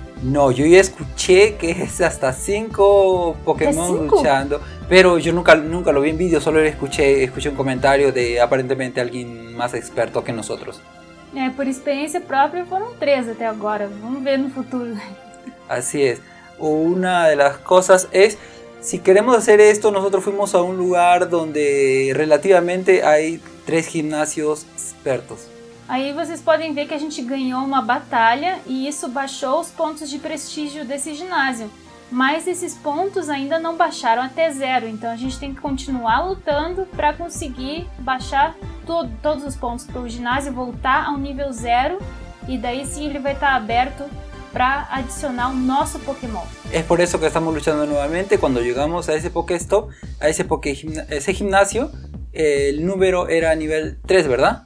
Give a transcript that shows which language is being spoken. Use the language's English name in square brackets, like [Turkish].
[Portuguese] Não, eu já escutei que é até 5 Pokémon lutando, mas eu nunca vi em vídeo, só escutei um comentário de aparentemente alguém mais experto que nós. Por experiência própria foram 3 até agora, vamos ver no futuro. Assim é, uma das coisas é... [Spanish] Si queremos hacer esto, nosotros fuimos a un lugar donde relativamente hay 3 gimnasios expertos. Ahí ustedes pueden ver que a gente ganó una batalla y eso bajó los puntos de prestigio de ese gimnasio. [Portuguese] Mas esses pontos ainda não baixaram até 0, então a gente tem que continuar lutando para conseguir baixar todos os pontos para o ginásio voltar ao nível 0 e daí sim ele vai estar aberto para adicionar o nosso Pokémon. É por isso que estamos lutando novamente. Quando chegamos a esse Pokéstop, a esse ginásio, o número era nível 3, verdade?